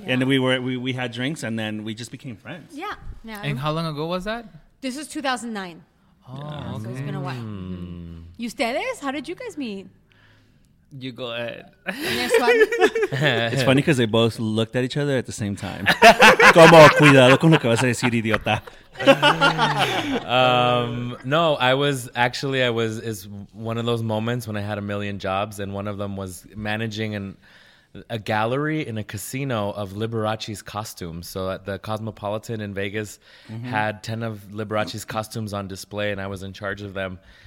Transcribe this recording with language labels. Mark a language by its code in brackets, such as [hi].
[en] And we had drinks, and then we just became friends. Yeah. And how long ago was that? This is 2009. Oh, yeah. Okay. So it's been a while. Mm-hmm. [es] ¿Y ustedes? [en] How did you guys meet? You go ahead. It's funny because they both looked at each other at the same time. [es] Como, cuidado con lo que vas a decir, idiota. [en] No, I was actually, it's one of those moments when I had a million jobs, and one of them was managing a gallery in a casino of Liberace's costumes. So at the Cosmopolitan in Vegas, mm-hmm. had 10 of Liberace's costumes on display, and I was in charge of them.